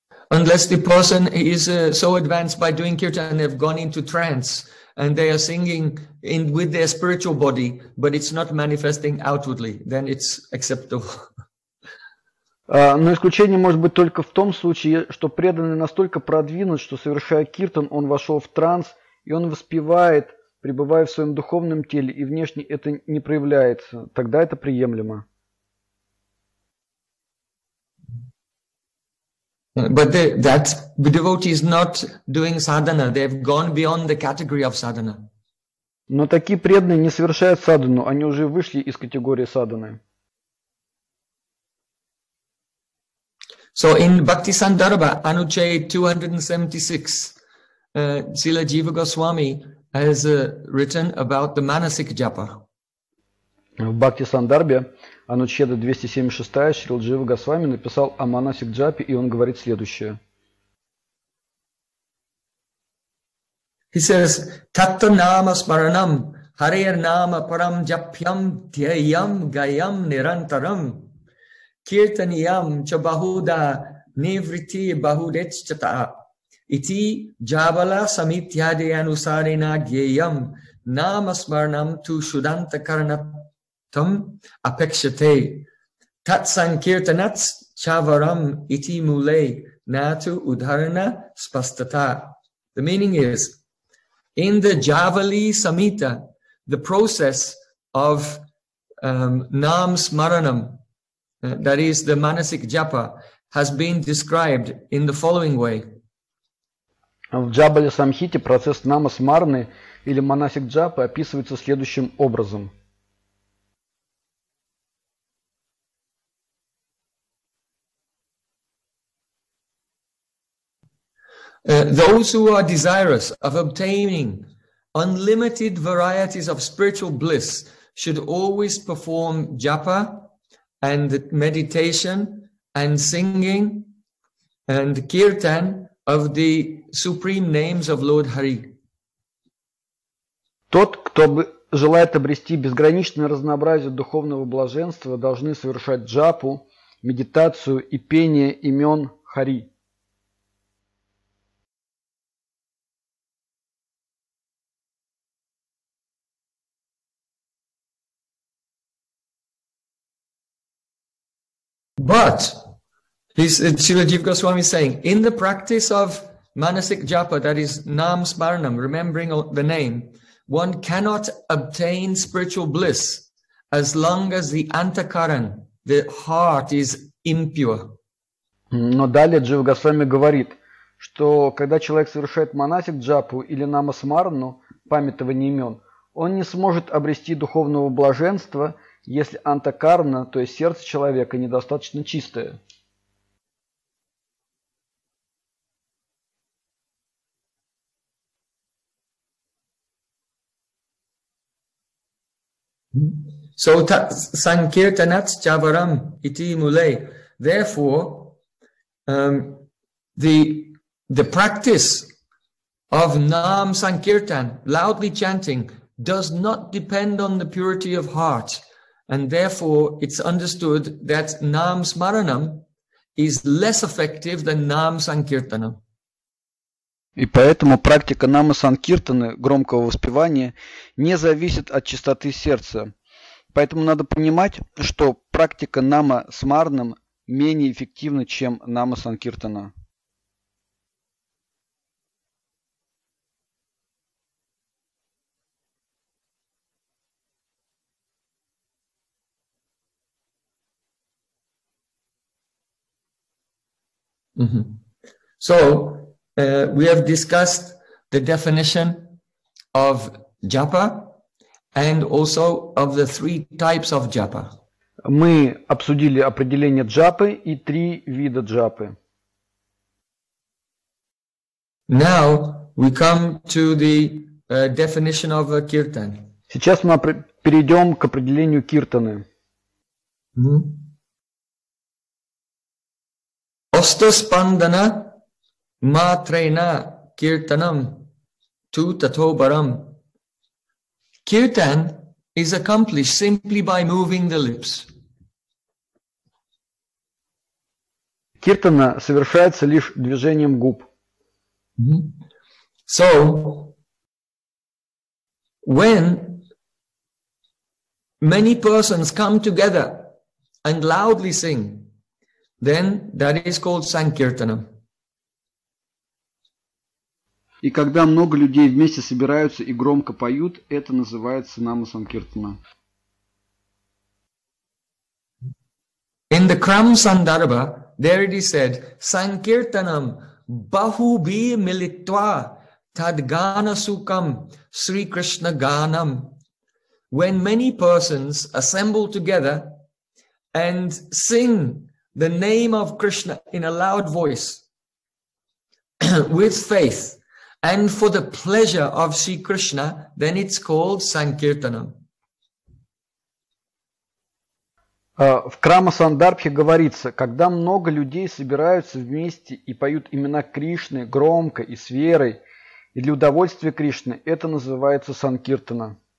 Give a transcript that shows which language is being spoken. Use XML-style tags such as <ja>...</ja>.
<en>Unless the person is so advanced by doing kirtan and have gone into trance and they are singing in with their spiritual body, but it's not manifesting outwardly, then it's acceptable.</en> <ru>Но исключение может быть только в том случае, что преданный настолько продвинут, что совершая киртан, он вошел в транс и он воспевает, пребывая в своем духовном теле, и внешне это не проявляется. Тогда это приемлемо.</ru> <en>But that devotee is not doing sadhana. They've gone beyond the category of sadhana.</en> <ru>Но такие преданные не совершают садхану. Они уже вышли из категории садханы.</ru> <en>So in Bhakti Sandarbha, Anuchay 276, Srila Jiva Goswami has written about the Manasik Japa.</en> <ru>В Бхакти Сандарбе, Анучеда 276, Шрила Джива Госвами написал о Манасик Джапе, и он говорит следующее.</ru> <sa>He says, Tattva Nama Smaranam, Harir Nama Param Japyam, Dhyayam Gayam Nirantaram, Kirtaniyam Chabahuda Nivriti Bahudechata, Iti Jabala Samityadi Anusarina Gyayam, Nama Smaranam Tu Shudanta Karanat, Tam apekshate tat sankirtanats chavaram iti mule natu udharana spastata.</sa> <en>The meaning is, in the Javali Samhita, the process of nam smaranam, that is the manasik japa, has been described in the following way.</en> <ru>В Джабали Самхите процесс нама смараны или манасик джапы описывается следующим образом.</ru> <en>Those who are desirous of obtaining unlimited varieties of spiritual bliss should always perform japa and meditation and singing and kirtan of the supreme names of Lord Hari.</en> <ru>Тот, кто желает обрести безграничное разнообразие духовного блаженства, должны совершать джапу, медитацию и пение имен Хари.</ru> <en>But, Srila Jiva Goswami is saying, in the practice of manasik japa, that is nam smaranam, remembering the name, one cannot obtain spiritual bliss as long as the antakaran, the heart, is impure.</en> <ru>Но далее Джива Госвами говорит, что когда человек совершает манасик джапу или нама смарану, памятование имен, он не сможет обрести духовного блаженства, если антакарна, то есть сердце человека, недостаточно чистое.</ru> <sa>So sankirtanats chavaram iti mule.</sa> <en>Therefore, the practice of nam sankirtan, loudly chanting, does not depend on the purity of heart. And therefore, it's understood that nam smaranam is less effective than nam sankirtanam.</en> <ru>И поэтому практика нама санкиртаны, громкого воспевания, не зависит от чистоты сердца. Поэтому надо понимать, что практика нама смаранам менее эффективна, чем нама санкиртана.</ru> <en>So, we have discussed the definition of japa and also of the three types of japa.</en> <ru>Мы обсудили определение джапы и три вида джапы.</ru> <en>Now, we come to the definition of a kirtan.</en> <ru>Сейчас мы перейдем к определению киртаны.</ru> <sa>Ostaspandana matrena kirtanam tu tatobaram.</sa> <en>Kirtan is accomplished simply by moving the lips.</en> <ru>Kirtana совершается лишь движением губ.</ru> <en>So, when many persons come together and loudly sing, then that is called sankirtana.</en> <ru>И когда много людей вместе собираются и громко поют, это называется нама санкиртана.</ru> <en>In the Kram Sandarbha, there it is said,</en> <sa>sankirtanam bahubhi militva tadgana sukam Sri Krishna ganam.</sa> <en>When many persons assemble together and sing the name of Krishna in a loud voice, with faith, And for the pleasure of Sri Krishna, then it's called Sankirtanam.</en> <ru>В Крама-Сандарбхе говорится, когда много людей собираются вместе и поют имена Кришны громко и с верой, и для удовольствия Кришны, это называется Санкиртана.</ru>